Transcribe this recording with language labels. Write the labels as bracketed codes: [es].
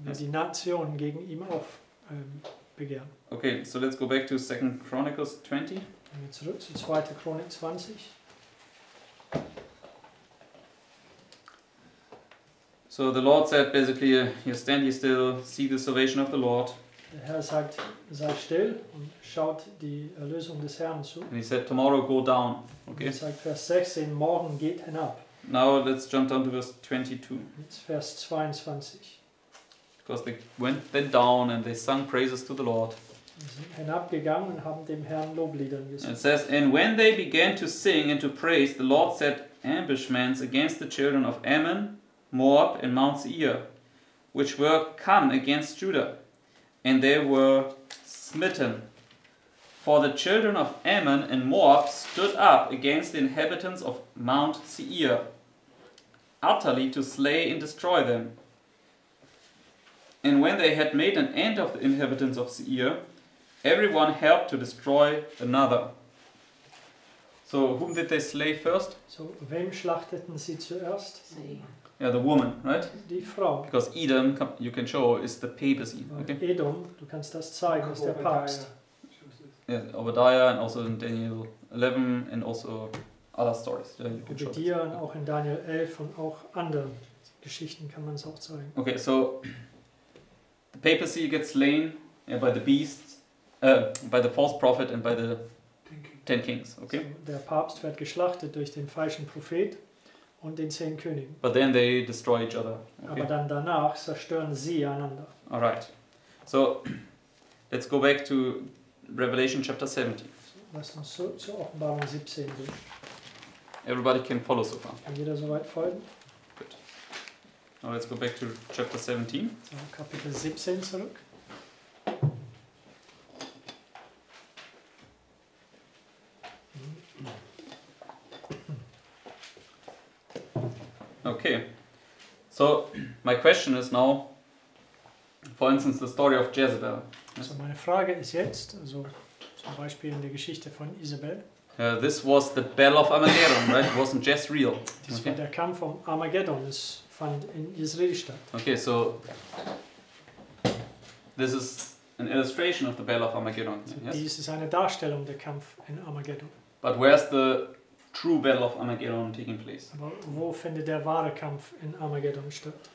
[de] Yes. Die Nation gegen ihn auf begehren. [en] Okay, so let's go back to 2 Chronicles 20. [de] Gehen wir zurück zu 2. Chronik 20. [en] So the Lord said basically, you stand here still, see the salvation of the Lord. [de] Der Herr sagt, sei still und schaut die Erlösung des Herrn zu. [en] And he said, tomorrow go down. Okay. [de] Er sagt, Vers 16, morgen geht hinab. [en] Now let's jump down to verse 22. [de] Jetzt Vers 22. [en] Because they went then down and they sung praises to the Lord. [de] Hinabgegangen und haben dem Herrn Loblieder gesungen. [en] It says, and when they began to sing and to praise, the Lord set ambushments against the children of Ammon, Moab and Mount Seir, which were come against Judah, and they were smitten. For the children of Ammon and Moab stood up against the inhabitants of Mount Seir, utterly to slay and destroy them. And when they had made an end of the inhabitants of Seir, everyone helped to destroy another. So whom did they slay first? [de] So wem schlachteten sie zuerst? [en] Yeah, the woman, right? [de] Die Frau. [en] Because Edom, you can show, is the papacy. Okay? [de] Edom, du kannst das zeigen, ist der Papst. [en] Yes, Obadiah and also in Daniel 11 and also other stories. [de] Yeah, Obadiah und auch in Daniel 11 und auch andere Geschichten kann man es auch zeigen. [en] Okay, so the papacy gets slain by the beasts, by the false prophet and by the ten kings. Okay. So, [de] der Papst wird geschlachtet durch den falschen Prophet und den 10 Königen. [en] But then they destroy each other. [de] Okay. Aber dann danach zerstören sie einander. [en] All right. So let's go back to Revelation chapter 17. [de] Lass uns so zur Offenbarung 17 gehen. [en] Everybody can follow so far. [de] Kann jeder soweit folgen? [en] Now let's go back to chapter 17. [de] So, Kapitel 17 zurück. [en] Okay. So, my question is now, for instance, the story of Jezebel. [de] So, meine Frage ist jetzt, also zum Beispiel in der Geschichte von Isabel. [en] This was the Battle of Armageddon, right? It wasn't just real. [de] Das war der Kampf um Armageddon. Fand in Israel statt. [en] Okay, so this is an illustration of the Battle of Armageddon. So, yes? [de] Dies ist eine Darstellung der Kampf in Armageddon. [en] But where's the true Battle of Armageddon taking place? [de] Aber wo findet der wahre Kampf in Armageddon statt?